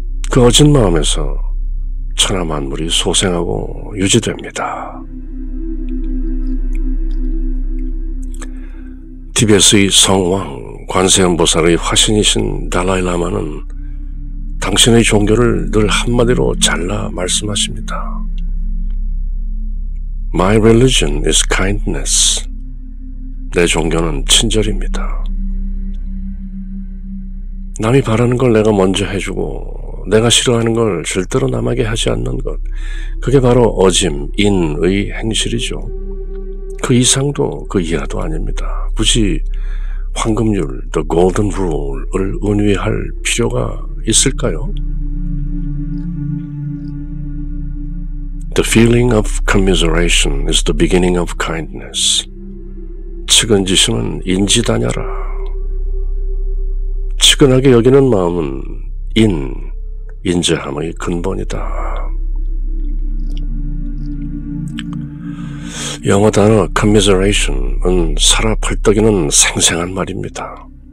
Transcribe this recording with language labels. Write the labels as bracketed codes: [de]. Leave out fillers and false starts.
[ko] 그 어진 마음에서 천하만물이 소생하고 유지됩니다. 티벳의 성왕 관세음보살의 화신이신 달라이라마는 당신의 종교를 늘 한마디로 잘라 말씀하십니다. [en] My religion is kindness. [ko] 내 종교는 친절입니다. 남이 바라는 걸 내가 먼저 해주고 내가 싫어하는 걸 절대로 남에게 하지 않는 것, 그게 바로 어짐, 인의 행실이죠. 그 이상도 그 이하도 아닙니다. 굳이 황금률, The Golden Rule을 은유할 필요가 있을까요? [en] The feeling of commiseration is the beginning of kindness. [ko] 측은지심은 인지다녀라. 측은하게 여기는 마음은 인, 인자함의 근본이다. 영어 단어 commiseration은 살아 펄떡이는 생생한 말입니다.